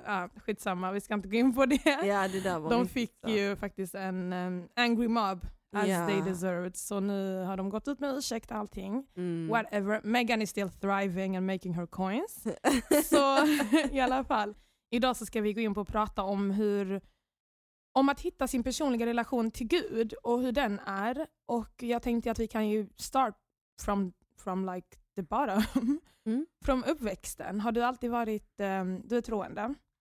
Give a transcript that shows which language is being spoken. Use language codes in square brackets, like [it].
[sv] Ah, skitsamma, vi ska inte gå in på det. Ja, det där var de fick ju faktiskt en angry mob, [en] as they deserved. [sv] Så nu har de gått ut med ursäkt och allting. Mm. [en] Whatever. Megan is still thriving and making her coins. [sv] Så i alla fall, idag så ska vi gå in på och prata om hur... Om att hitta sin personliga relation till Gud och hur den är. Och jag tänkte att vi kan ju [en] start from like the bottom. [sv] Från uppväxten. Har du alltid varit, du är troende?